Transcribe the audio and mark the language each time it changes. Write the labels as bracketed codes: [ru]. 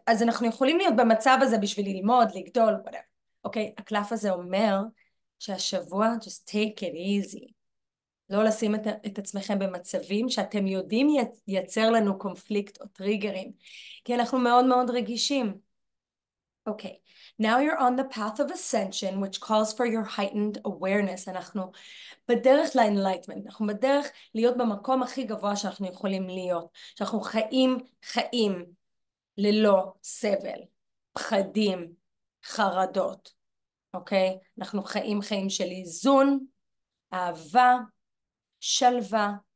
[he] אז אנחנו יכולים להיות במצב הזה בשביל ללמוד, לגדול, whatever. אוקיי? הקלף הזה אומר שהשבוע, [en] just take it easy. [he] לא לשים את עצמכם במצבים שאתם יודעים ייצר לנו קונפליקט או טריגרים. כי אנחנו מאוד מאוד רגישים. אוקיי, okay. [en] Now you're on the path of ascension, which calls for your heightened awareness. [he] אנחנו בדרך ל-enlightenment, אנחנו בדרך להיות במקום הכי גבוה שאנחנו יכולים להיות. שאנחנו חיים, חיים. ללא סבל, פחדים, חרדות, אוקיי? אנחנו חיים חיים של איזון, אהבה, שלווה.